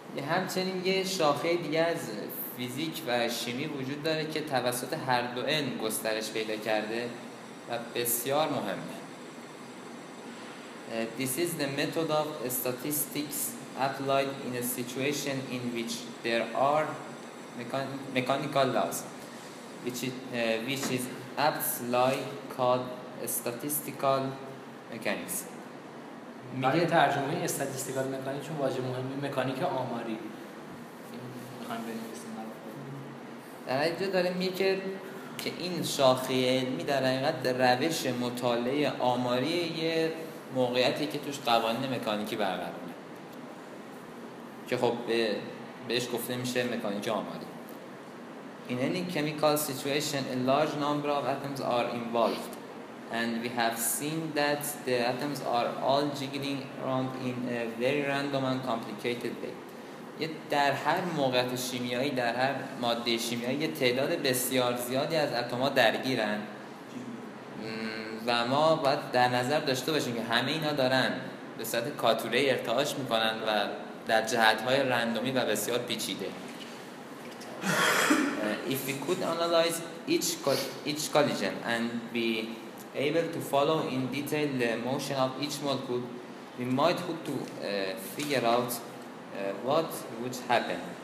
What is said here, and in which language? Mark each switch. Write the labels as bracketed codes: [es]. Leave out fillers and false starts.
[fa] همچنین یه شاخه دیگه از فیزیک و شیمی وجود داره که توسط هر دو علم گسترش پیدا کرده و بسیار مهمه. [en] This is the method of statistics applied in a situation in which there are mechanical laws, which is aptly called statistical mechanics. [fa] برای ترجمه استاتیستیکال مکانیک چون واژه مهمی مکانیک آماری میخوایم بنویسیم. در اینجا داره میگه که این شاخه علمی در حقیقت روش مطالعه آماری یه موقعیتی که توش قوانین مکانیکی برقرار میشه که خب بهش گفته میشه مکانیک آماری. [en] In any chemical situation a large number of atoms are involved and we have seen that the atoms are all jiggling around in a very random and complicated way. [fa] یه در هر موقعیت شیمیایی در هر ماده شیمیایی یه تعداد بسیار زیادی از اتم‌ها درگیرن و ما باید در نظر داشته باشیم که همه اینا دارن به صورت کاتوره ارتعاش میکنن و در جهت‌های رندومی و بسیار پیچیده. [en] If we could analyze each collision and be able to follow in detail the motion of each molecule, we might hope to figure out what would happen.